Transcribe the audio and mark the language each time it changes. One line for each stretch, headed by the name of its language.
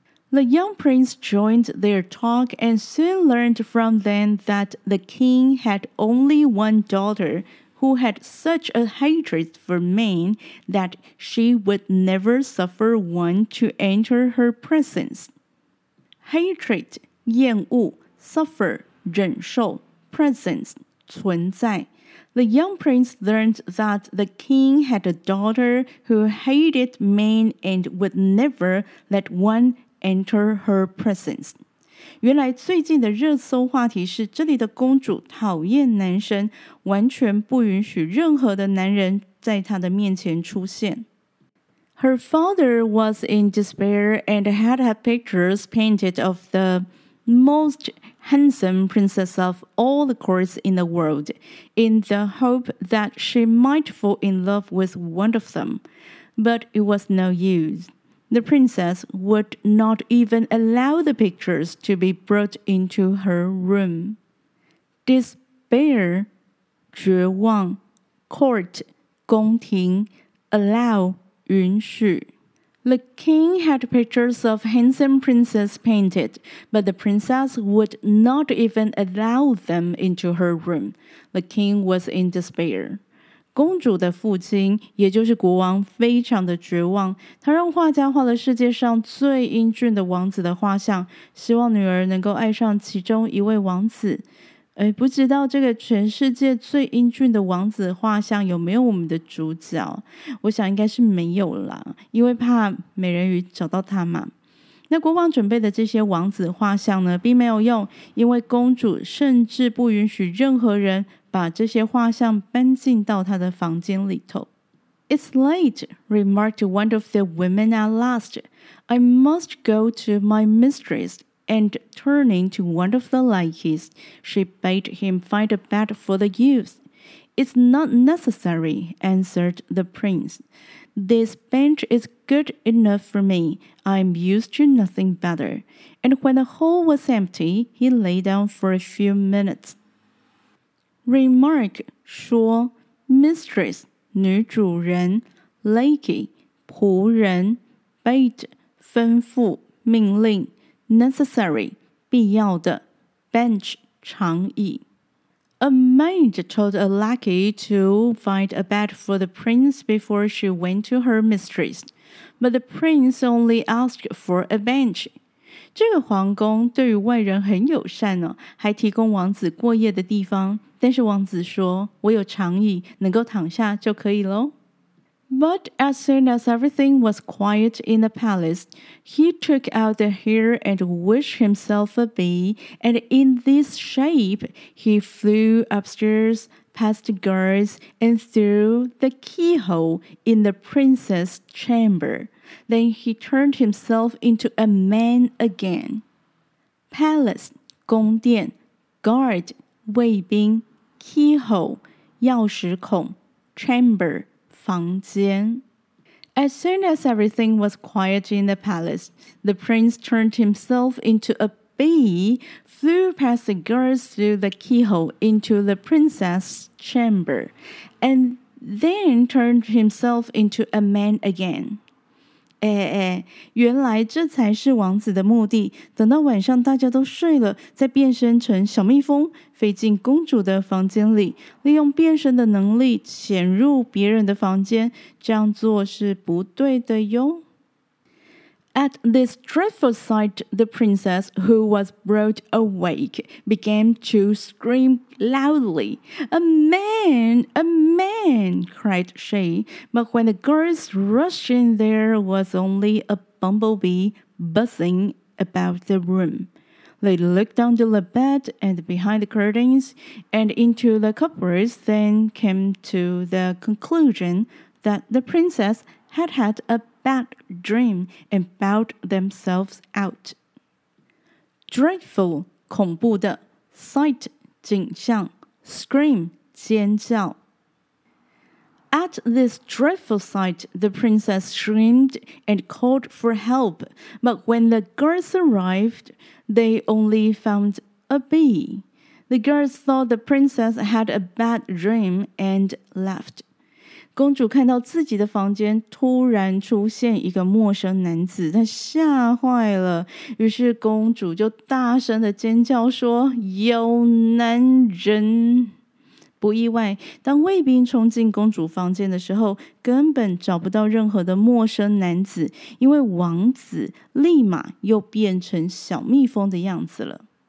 English: The young prince joined their talk and soon learned from them that the king had only one daughter,who had such a hatred for men that she would never suffer one to enter her presence. Hatred, 厌恶, suffer, 忍受, presence, 存在. The young prince learned that the king had a daughter who hated men and would never let one enter her presence.
Chinese: 原来最近的热搜话题是这里的公主讨厌男生，完全不允许任何的男人在她的面前出现。
English: Her father was in despair and had had pictures painted of the most handsome princess of all the courts in the world, in the hope that she might fall in love with one of them. But it was no use. The princess would not even allow the pictures to be brought into her room. Despair, 绝望, court, 宫廷, allow, 允许. The king had pictures of handsome princes painted, but the princess would not even allow them into her room. The king was in despair.
Chinese: 公主的父亲，也就是国王，非常的绝望。他让画家画了世界上最英俊的王子的画像，希望女儿能够爱上其中一位王子。哎，不知道这个全世界最英俊的王子画像有没有我们的主角？我想应该是没有啦，因为怕美人鱼找到他嘛。那国王准备的这些王子画像呢，并没有用，因为公主甚至不允许任何人把这些画像搬进到她的房间里头。
English: It's late, remarked one of the women at last. I must go to my mistress. And turning to one of the lackeys, she bade him find a bed for the youth. It's not necessary, answered the prince. This bench is good enough for me. I'm used to nothing better. And when the hall was empty, he lay down for a few minutes.
Chinese: Remark, 说, mistress, 女主人, lackey, 仆人, bade, 吩咐, 命令, necessary, 必要的, bench, 长椅。
English: A maid told a lackey to find a bed for the prince before she went to her mistress, but the prince only asked for a bench.
Chinese: 这个皇宫对于外人很友善哦，还提供王子过夜的地方，但是王子说，我有长椅，能够躺下就可以咯。
English: But as soon as everything was quiet in the palace, he took out the hair and wished himself a bee, and in this shape, he flew upstairs past the guards and through the keyhole in the prince's chamber. Then he turned himself into a man again. Palace, 宫殿, guard, 卫兵, keyhole, 钥匙孔, chamber,房间。 As soon as everything was quiet in the palace, the prince turned himself into a bee, flew past the guards through the keyhole into the princess's chamber, and then turned himself into a man again.
Chinese: 哎哎，原来这才是王子的目的，等到晚上大家都睡了，再变身成小蜜蜂，飞进公主的房间里，利用变身的能力潜入别人的房间，这样做是不对的哟。
English: At this dreadful sight, the princess, who was broad awake, began to scream loudly. A man, cried she. But when the girls rushed in, there was only a bumblebee buzzing about the room. They looked under the bed and behind the curtains and into the cupboards, then came to the conclusion that the princess had a bad dream and bowed themselves out. Dreadful, 恐怖的, sight, 景象, scream, 尖叫。 At this dreadful sight, the princess screamed and called for help, but when the guards arrived, they only found a bee. The guards thought the princess had a bad dream and left.
Chinese: 公主看到自己的房间突然出现一个陌生男子，她吓坏了，于是公主就大声的尖叫说，有男人。不意外，当卫兵冲进公主房间的时候，根本找不到任何的陌生男子，因为王子立马又变成小蜜蜂的样子了。